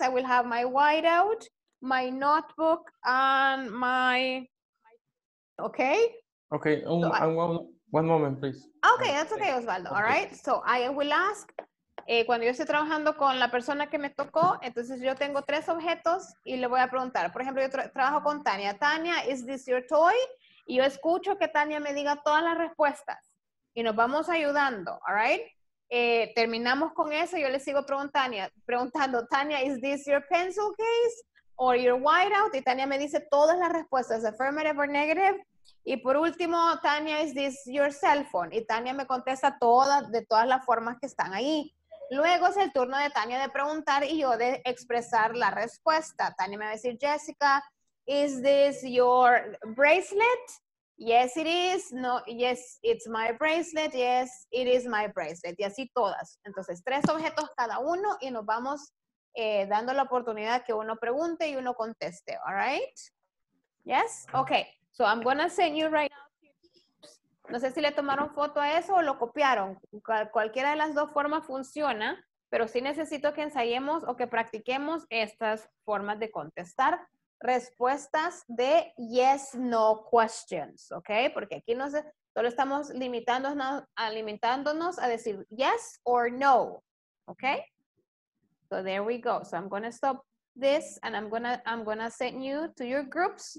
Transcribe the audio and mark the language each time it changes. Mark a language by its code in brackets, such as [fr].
[en] I will have my whiteout, my notebook, and my, okay? Okay, one moment, please. Okay, that's okay, Osvaldo, okay. All right? So I will ask, [es] cuando yo estoy trabajando con la persona que me tocó, entonces yo tengo tres objetos y le voy a preguntar. Por ejemplo, yo trabajo con Tania. Tania, [en] is this your toy? [es] Y yo escucho que Tania me diga todas las respuestas y nos vamos ayudando, [en] all right? [es] Terminamos con eso, yo le sigo preguntando, Tania, [en] is this your pencil case? or your whiteout. [es] Y Tania me dice todas las respuestas, [en] affirmative or negative. [es] Y por último, Tania, [en] is this your cell phone? [es] Y Tania me contesta todas, de todas las formas que están ahí. Luego es el turno de Tania de preguntar y yo de expresar la respuesta. Tania me va a decir, [en] Jessica, is this your bracelet? Yes, it is. No, yes, it's my bracelet. Yes, it is my bracelet. [es] Y así todas. Entonces, tres objetos cada uno y nos vamos dando la oportunidad que uno pregunte y uno conteste. [en] All right? Yes? Okay. So I'm going to send you right now. [es] No sé si le tomaron foto a eso o lo copiaron. Cualquiera de las dos formas funciona, pero sí necesito que ensayemos o que practiquemos estas formas de contestar. Respuestas de [en] yes, no questions, [es] ¿ok? Porque aquí no sé, solo estamos limitándonos a decir [en] yes or no, [es] ¿ok? [en] So there we go. So I'm going to stop this and I'm gonna send you to your groups.